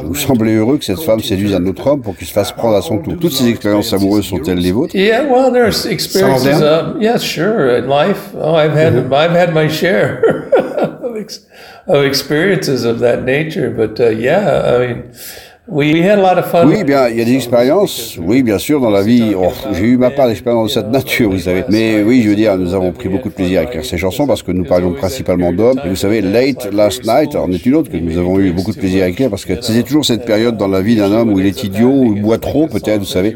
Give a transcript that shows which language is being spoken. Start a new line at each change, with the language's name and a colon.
French: Vous semblez heureux que cette femme séduise un autre homme pour qu'il se fasse prendre à son tour. Toutes ces expériences amoureuses sont-elles les vôtres?
English: Yeah, well, there's experiences. Yes, sure. In life, I've had my share of experiences of that nature. But yeah, I mean.
French: Oui, bien, il y a des expériences, oui, bien sûr, dans la vie. Oh, j'ai eu ma part d'expérience de cette nature, vous savez. Mais oui, je veux dire, nous avons pris beaucoup de plaisir à écrire ces chansons parce que nous parlions principalement d'hommes. Et vous savez, Late Last Night en est une autre que nous avons eu beaucoup de plaisir à écrire parce que c'est toujours cette période dans la vie d'un homme où il est idiot, où il boit trop, peut-être, vous savez.